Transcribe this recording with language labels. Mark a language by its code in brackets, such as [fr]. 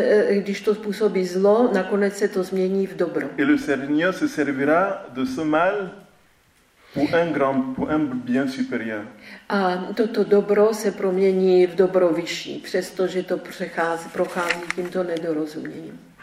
[cs] Když to způsobí zlo, nakonec se to změní v dobro. [fr] Et le Seigneur se servira de ce mal. Pour un bien supérieur. [cs] A toto dobro se promění v dobro vyšší, přestože to prochází tímto nedorozuměním.